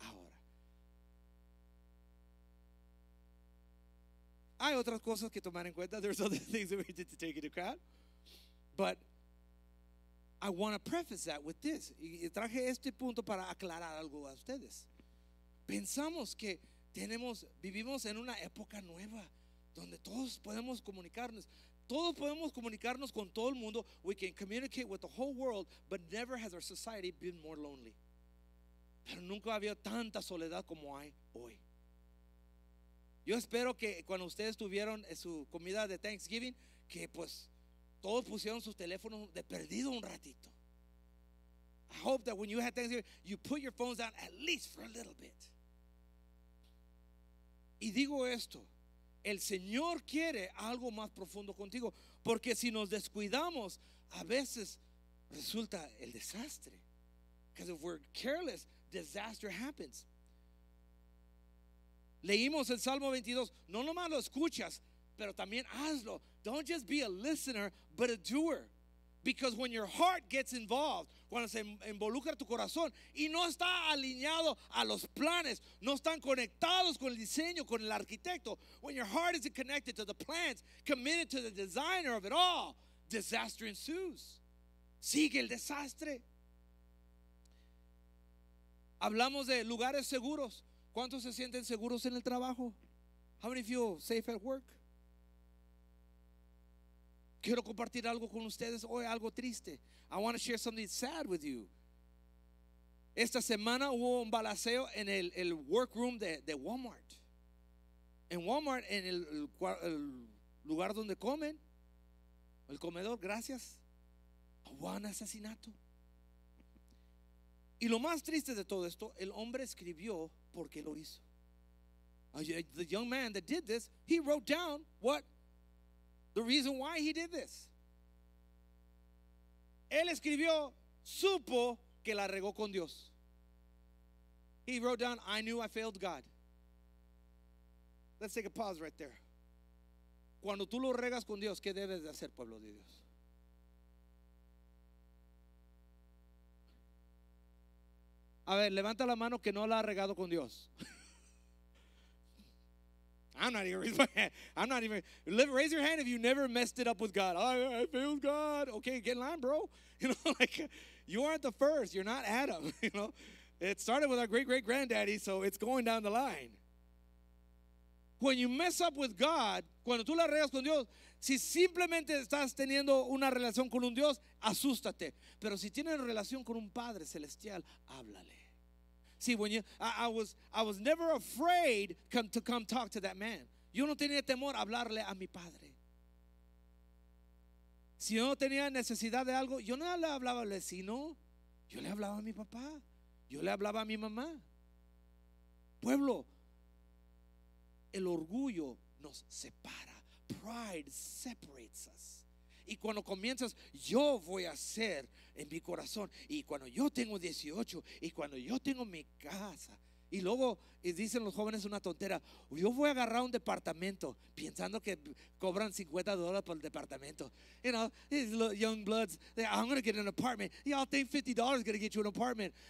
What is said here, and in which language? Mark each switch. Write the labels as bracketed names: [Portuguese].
[Spanish] Ahora, hay otras cosas que tomar en cuenta. [English] There's other things that we need to take into account. But I want to preface that with this. [Spanish] Y traje este punto para aclarar algo a ustedes. Pensamos que vivimos en una época nueva donde todos podemos comunicarnos. Todos podemos comunicarnos con todo el mundo. [English] We can communicate with the whole world, but never has our society been more lonely. [Spanish] Pero nunca había tanta soledad como hay hoy. Yo espero que cuando ustedes tuvieron su comida de Thanksgiving, que pues todos pusieron sus teléfonos de perdido un ratito. [English] I hope that when you had Thanksgiving, you put your phones down at least for a little bit. [Spanish] Y digo esto, el Señor quiere algo más profundo contigo, porque si nos descuidamos, a veces resulta el desastre. [English] Because if we're careless, disaster happens. [Spanish] Leímos el Salmo 22, no nomás lo escuchas, pero también hazlo. [English] Don't just be a listener, but a doer. Because when your heart gets involved, [Spanish] cuando se involucra tu corazón y no está alineado a los planes, no están conectados con el diseño, con el arquitecto, [English] when your heart isn't connected to the plans, committed to the designer of it all, disaster ensues. [Spanish] Sigue el desastre. Hablamos de lugares seguros. ¿Cuántos se sienten seguros en el trabajo? [English] How many feel safe at work? [Spanish] Quiero compartir algo con ustedes hoy, algo triste. [English] I want to share something sad with you. [Spanish] Esta semana hubo un balaceo en el workroom de Walmart. En Walmart, en el lugar donde comen, el comedor, gracias. Hubo un asesinato. Y lo más triste de todo esto, el hombre escribió por qué lo hizo. [English] The young man that did this, he wrote down what? The reason why he did this. [Spanish] Él escribió, supo que la regó con Dios. [English] He wrote down, I knew I failed God. Let's take a pause right there. [Spanish] Cuando tú lo regas con Dios, ¿qué debes de hacer, pueblo de Dios? A ver, levanta la mano que no la ha regado con Dios. [English] I'm not even raise your hand if you never messed it up with God. I failed God. Okay, get in line, bro. You know, like, you aren't the first. You're not Adam. You know, it started with our great-great-granddaddy, so it's going down the line. When you mess up with God, [Spanish] cuando tú la regas con Dios, si simplemente estás teniendo una relación con un Dios, asústate. Pero si tienes relación con un Padre Celestial, háblale. [English] See, when you, I was never afraid to come talk to that man. [Spanish] Yo no tenía temor a hablarle a mi padre. Si yo no tenía necesidad de algo, yo no le hablaba al vecino. Yo le hablaba a mi papá. Yo le hablaba a mi mamá. Pueblo, el orgullo nos separa. [English] Pride separates us. [Spanish] Y cuando comienzas, yo voy a hacer en mi corazón. Y cuando yo tengo 18, y cuando yo tengo mi casa, Y luego y dicen los jóvenes una tontera: yo voy a agarrar un departamento pensando que cobran $50 por el departamento. [English] You know, young bloods, I'm going to get an apartment. Y'all think $50 is going to get you an apartment.